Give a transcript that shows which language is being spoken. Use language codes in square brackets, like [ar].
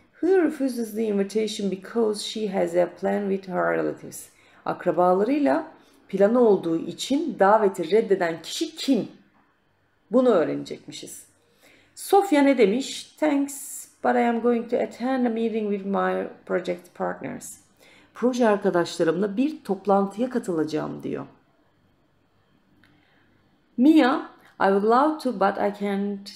[en] Who refuses the invitation because she has a plan with her relatives? [tr] Akrabalarıyla planı olduğu için daveti reddeden kişi kim? Bunu öğrenecekmişiz. Sofia ne demiş? [en] Thanks, but I am going to attend a meeting with my project partners. [tr] Proje arkadaşlarımla bir toplantıya katılacağım diyor. [en] Mia, I would love to, but I can't.